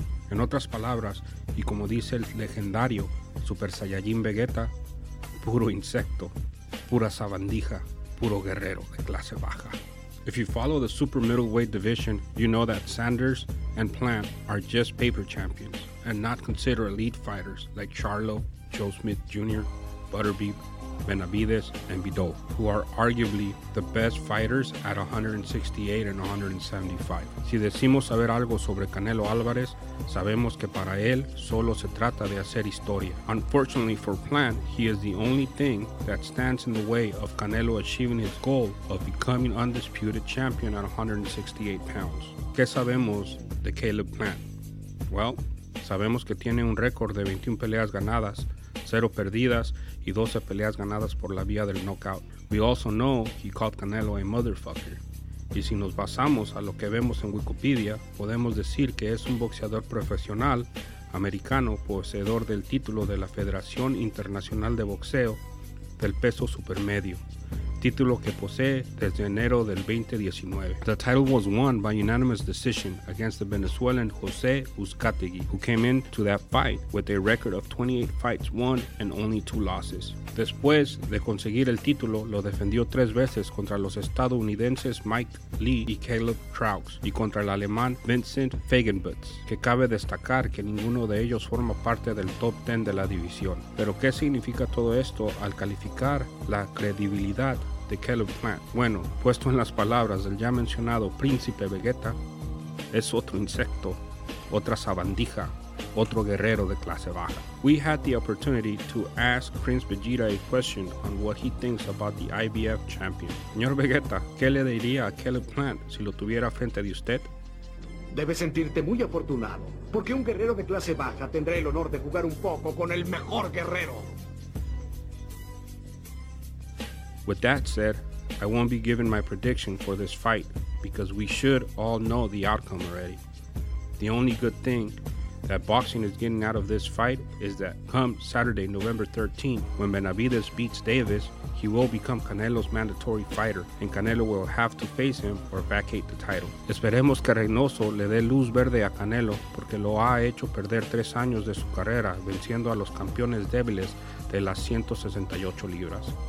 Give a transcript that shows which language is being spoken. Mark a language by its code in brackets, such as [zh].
[es] En otras palabras, y como dice el legendario Super Saiyajin Vegeta, puro insecto, pura sabandija, puro guerrero de clase baja. [en] If you follow the super middleweight division, you know that Sanders and Plant are just paper champions and not considered elite fighters like Charlo, Joe Smith Jr., Butterbeef, Benavides, and Bidot, who are arguably the best fighters at 168 and 175. [es] Si decimos saber algo sobre Canelo Álvarez, sabemos que para él solo se trata de hacer historia. [en] Unfortunately for Plant, he is the only thing that stands in the way of Canelo achieving his goal of becoming undisputed champion at 168 pounds. [es] ¿Qué sabemos de Caleb Plant? Well, sabemos que tiene un récord de 21 peleas ganadas, 0 perdidas y 12 peleas ganadas por la vía del knockout. [en] We also know he called Canelo a motherfucker. [es] Y si nos basamos a lo que vemos en Wikipedia, podemos decir que es un boxeador profesional americano poseedor del título de la Federación Internacional de Boxeo del peso supermedio, título que posee desde enero del 2019. [en] The title was won by unanimous decision against the Venezuelan José Uzcategui, who came into that fight with a record of 28 fights won and only 2 losses. [es] Después de conseguir el título, lo defendió 3 veces contra los estadounidenses Mike Lee y Caleb Traux, y contra el alemán Vincent Fagenbutz, que cabe destacar que ninguno de ellos forma parte del top 10 de la división. Pero ¿qué significa todo esto al calificar la credibilidad de Caleb Plant? Bueno, puesto en las palabras del ya mencionado Príncipe Vegeta, es otro insecto, otra sabandija, otro guerrero de clase baja. [en] We had the opportunity to ask Prince Vegeta a question on what he thinks about the IBF champion. [es] Señor Vegeta, ¿qué le diría a Caleb Plant si lo tuviera frente de usted? Debes sentirte muy afortunado, porque un guerrero de clase baja tendrá el honor de jugar un poco con el mejor guerrero. [en] With that said, I won't be giving my prediction for this fight because we should all know the outcome already. The only good thing that boxing is getting out of this fight is that come Saturday, November 13th, when Benavides beats Davis, he will become Canelo's mandatory fighter and Canelo will have to face him or vacate the title. [es] Esperemos que Reynoso le dé luz verde a Canelo porque lo ha hecho perder 3 años de su carrera venciendo a los campeones débiles de las 168 libras.